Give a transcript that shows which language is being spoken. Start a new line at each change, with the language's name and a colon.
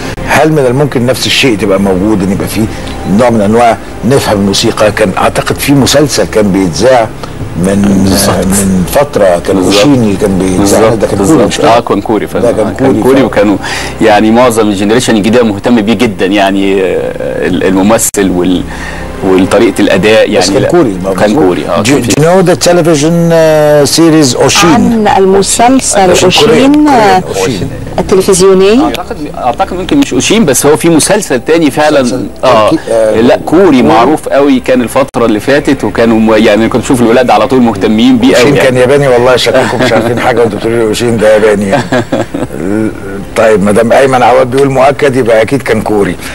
Arabic: هل من الممكن نفس الشيء تبقى موجود ان يبقى فيه نوع من انواع نفهم الموسيقى؟ كان اعتقد في مسلسل كان بيتزاع من فترة كان وشيني كان بيتزاع ده كان كوري وكانوا يعني معظم الجنريشن الجديدة مهتم بيه جدا يعني الممثل وال والطريقه الاداء يعني بس كان كوري
English: Do you know the television series Oshin
Arabic: عن المسلسل Oshin التلفزيوني اعتقد ممكن مش Oshin بس هو في مسلسل تاني فعلا لا كوري معروف قوي كان الفتره اللي فاتت وكانوا يعني كنت بشوف الولاد على طول مهتمين بيه قوي يعني. كان ياباني والله شكلكم مش عارفين حاجه وانتوا بتقولوا لي Oshin ده ياباني طيب مدام ايمن عواد بيقول مؤكد يبقى اكيد كان كوري.